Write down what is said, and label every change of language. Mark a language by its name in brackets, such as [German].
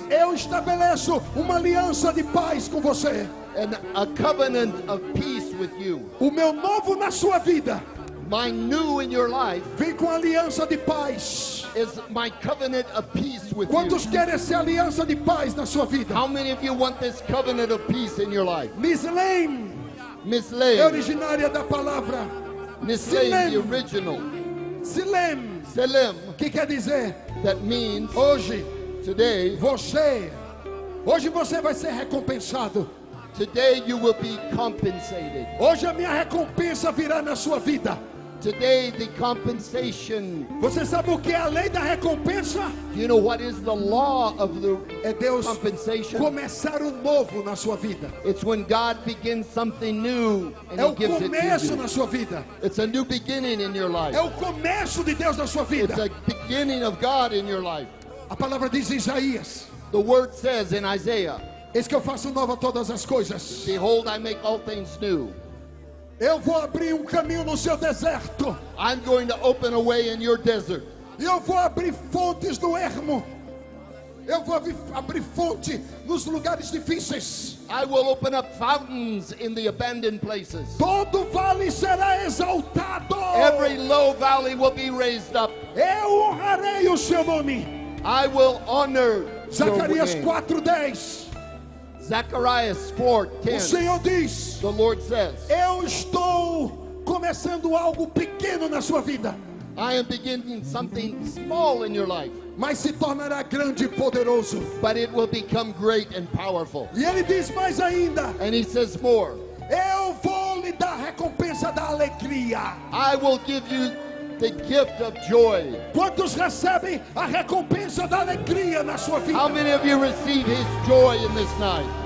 [Portuguese] eu estabeleço uma aliança de paz com você. [English] And a covenant of peace with you. [Portuguese] O meu novo na sua vida. [English] My new in your life. [Portuguese] Vem com a aliança de paz. [English] Is my covenant of peace with [Portuguese] quantos [English] you. [Portuguese] Quantos querem essa aliança de paz na sua vida? [English] How many of you want this covenant of peace in your life? Miss Lane. Miss Lane. [Portuguese] É originária da palavra. [English] Miss Lane, the original. Selem. Selem. [Portuguese] Que quer dizer? [English] That means [Portuguese] hoje. [English] Today, [Portuguese] você, hoje você vai ser recompensado. [English] Today you will be compensated. [Portuguese] Hoje a minha recompensa virá na sua vida. [English] Today the compensation. [Portuguese] Você sabe o que é a lei da recompensa? [English] You know what is the law of the [Portuguese] é Deus [English] compensation? [Portuguese] Começar o novo na sua vida. [English] It's when God begins something new and [Portuguese] é [English] he gives it to you. [Portuguese] É o começo na sua vida. [English] It's a new beginning in your life. [Portuguese] É o começo de Deus na sua vida. [English] It's a beginning of God in your life. [Portuguese] A palavra diz em Isaías. [English] The word says in Isaiah. [Portuguese] Eis que eu faço nova todas as coisas. [English] Behold, I make all things new. [Portuguese] Eu vou abrir um caminho no seu deserto. [English] I'm going to open a way in your desert. [Portuguese] Eu vou abrir fontes no ermo. Eu vou abrir fonte nos lugares difíceis. [English] I will open up fountains in the abandoned places. [Portuguese] Todo vale será exaltado. [English] Every low valley will be raised up. [Portuguese] Eu honrarei o seu nome. [English] I will honor [Portuguese] Zacarias 4:10. [English] Zacharias 4:10. [Portuguese] O Senhor diz. [English] The Lord says. [Portuguese] Eu estou começando algo pequeno na sua vida. [English] I am beginning something small in your life. [Portuguese] Mas se tornará grande e poderoso. [English] But it will become great and powerful. [Portuguese] E ele diz mais ainda. [English] And he says more. [Portuguese] Eu vou lhe dar recompensa da alegria. [English] I will give you the gift of joy. [Portuguese] Quantos recebem a recompensa da alegria na sua vida? [English] How many of you receive his joy in this night?